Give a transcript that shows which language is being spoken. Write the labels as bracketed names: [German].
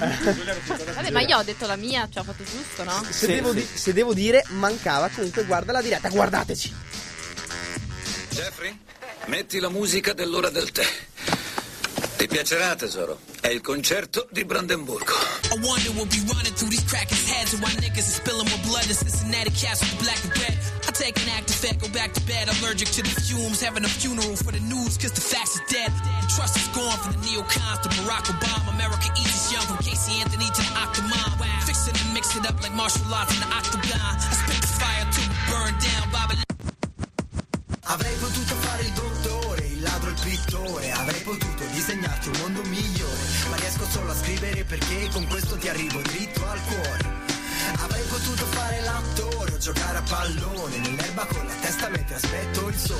[Italian] Vabbè, ma io ho detto la mia, ho fatto giusto, no? Se devo dire, mancava comunque, guarda la diretta, guardateci. Jeffrey, metti la musica dell'ora del tè. Ti piacerà, tesoro. È il concerto di Brandenburgo. [English] I wonder what be running through these crackers' heads. Why niggas are spilling more blood in Cincinnati cats with black and red. I take an active fact, go back to bed. Allergic to the fumes, having a funeral for the news, cause the facts are dead. Trust is gone from the neocons to Barack Obama. America eats its young from Casey Anthony to the Octomom. Wow. Fix it and mix it up like martial arts in the Octagon. I spit the fire to burn down Babylon. [Italian] Avrei potuto fare il dottore, il ladro, il pittore. Avrei potuto disegnarti un mondo migliore. Ma riesco solo a scrivere perché con questo ti arrivo dritto al cuore. Avrei potuto fare l'attore o giocare a pallone nell'erba con la testa mentre aspetto il sole.